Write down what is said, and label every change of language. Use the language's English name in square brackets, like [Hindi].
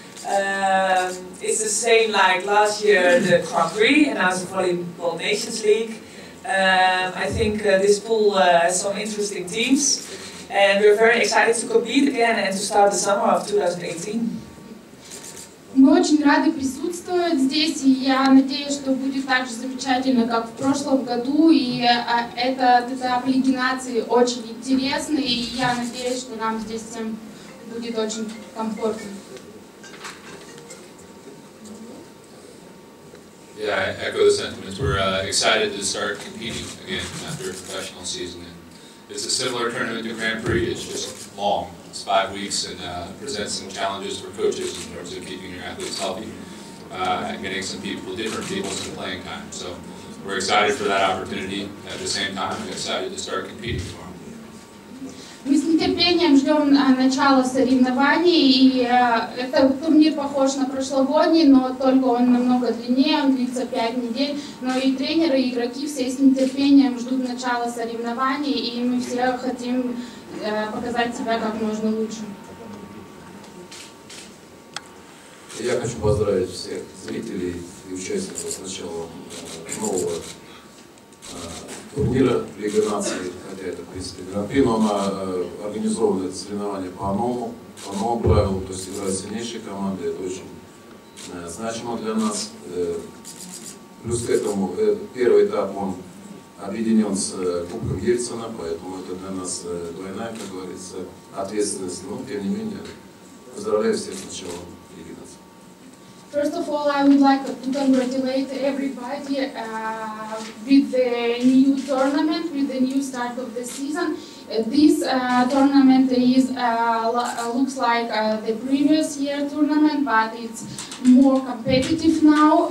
[English] It's the same like last year, the Grand Prix announced the Volleyball Nations League. I think this pool has some interesting teams, and we're very excited to compete again and to start the summer of 2018. [Russian] Мы очень рады присутствовать здесь, и я надеюсь, что будет так же замечательно, как в прошлом году, и этот этап Лиги наций очень интересный, и я надеюсь, что нам здесь всем будет очень комфортно. [English] Yeah, I echo the sentiments. We're excited to start competing again after a professional season. And it's a similar tournament to Grand Prix. It's just long. It's 5 weeks and presents some challenges for coaches in terms of keeping your athletes healthy and getting some people, different people, some playing time. So we're excited for that opportunity. At the same time, we're excited to start competing for them. [Russian] Мы с нетерпением ждем начала соревнований, и этот турнир похож на прошлогодний, но только он намного длиннее, он длится 5 недель. Но и тренеры, и игроки все с нетерпением ждут начала соревнований, и мы все хотим показать себя как можно лучше. Я хочу поздравить всех зрителей и участников с началом нового турнира Лига наций, хотя это, в принципе, Гран-при, но она организована, это соревнование по новым правилам, то есть играют сильнейшие команды, это очень значимо для нас. Плюс к этому, первый этап, он объединен с Кубком Ельцина, поэтому это для нас двойная, как говорится, ответственность. Но, тем не менее, поздравляю всех с началом Лиги наций. [English] First of all, I would like to congratulate everybody with the new tournament, with the new start of the season. This tournament is looks like the previous year tournament, but it's more competitive now.